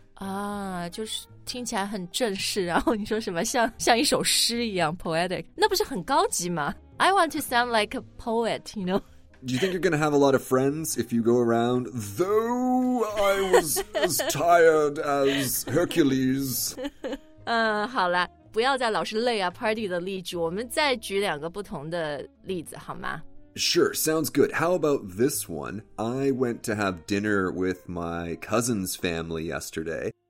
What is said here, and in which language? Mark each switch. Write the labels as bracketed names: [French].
[Chinese] 啊，就是听起来很正式，然后你说什么像一首诗一样 poetic， 那不是很高级吗 ？ [English] I want to sound like a poet, you know. Do you think you're going to have a lot of friends if you go around, though I was as tired as Hercules? [Chinese] 好了，不要再老是累啊 party 的例句，我们再举两个不同的例子好吗 [English] Sure, sounds good. How about this one? I went to have dinner with my cousin's family yesterday,